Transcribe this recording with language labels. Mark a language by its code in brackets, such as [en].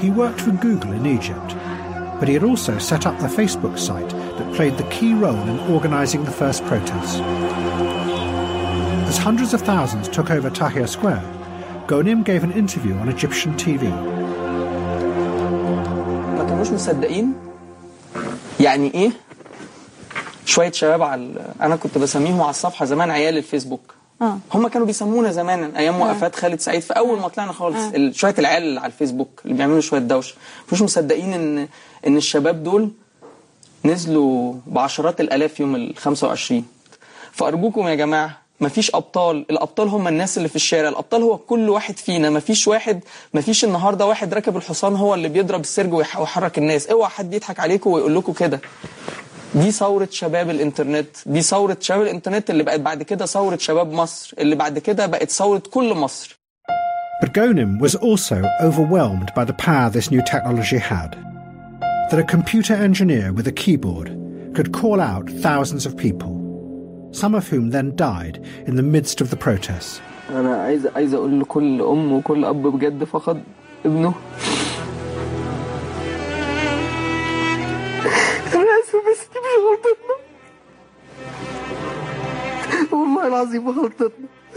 [en] He worked for Google in Egypt, but he had also set up the Facebook site that played the key role in organising the first protests. As hundreds of thousands took over Tahrir Square, Gonim gave an interview on Egyptian TV. [ar] مش مصدقين يعني ايه شوية شباب على انا كنت بسميهم على الصفحة زمان عيال الفيسبوك هم كانوا بيسمونا زمانا ايام وقفات خالد سعيد في اول ما طلعنا خالص شوية العيال على الفيسبوك اللي بيعملوا شوية دوش مش مصدقين ان الشباب دول نزلوا بعشرات الالاف يوم 25 فارجوكم يا جماعة مفيش أبطال الأبطال هم الناس اللي في الشارع الأبطال هو كل واحد فينا مفيش النهاردة واحد ركب الحصان هو اللي بيضرب السرج ويحرك الناس اوعى حد يضحك عليكم ويقول لكم كده دي ثورة شباب الانترنت دي ثورة شباب الانترنت اللي بقت بعد كده ثورة شباب مصر اللي بعد كده بقت ثورة كل مصر. [en] But Gonim was also overwhelmed by the power this new technology had. That a computer engineer with a keyboard could call out thousands of people. Some of whom then died in the midst of the protests. [ar] أنا عايز أقول لكل أم وكل أب بجد فقد ابنه. أنا آسف بس دي مش غلطتنا. والله العظيم غلطتنا.